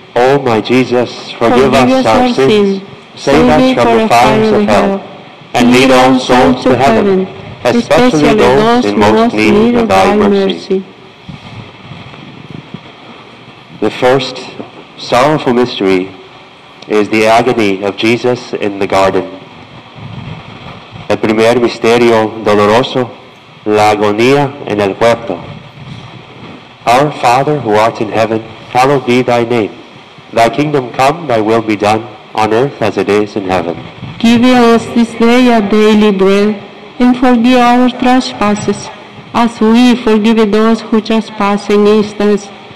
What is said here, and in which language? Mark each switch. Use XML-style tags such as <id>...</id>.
<en>O my Jesus, forgive us our sins, save us from the fires of hell, and lead all souls to heaven, especially those in most need of thy mercy. The first sorrowful mystery is the agony of Jesus in the garden.</en> <es>El primer misterio doloroso, la agonía en el huerto.</es> <en>Our Father, who art in heaven, hallowed be thy name. Thy kingdom come, thy will be done, on earth as it is in heaven. Give us this day our daily bread, and forgive our trespasses, as we forgive those who trespass against us.</en>